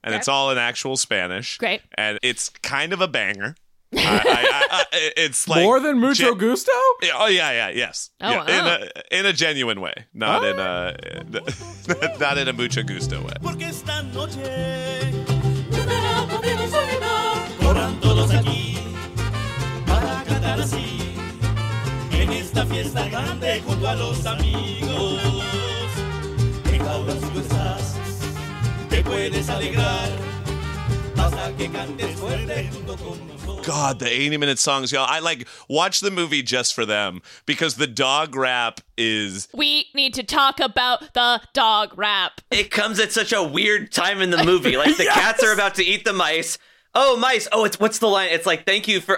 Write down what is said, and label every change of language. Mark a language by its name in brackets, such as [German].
[English] And it's all in actual Spanish. Great. And it's kind of a banger. it's like more than Mucho Gusto? Yes. Oh, yeah. Wow. In a genuine way, not in a Mucho Gusto way. [Spanish] Porque esta noche yo me la pondré solita. Corran todos aquí para cantar así en esta fiesta grande junto a los amigos. En jaula si tú estás, te puedes alegrar. [English] God, the 80-minute songs, y'all. I like watch the movie just for them, because the dog rap is... We need to talk about the dog rap. It comes at such a weird time in the movie. Like, the yes! cats are about to eat the mice. Oh, mice. Oh, what's the line? It's like, thank you for...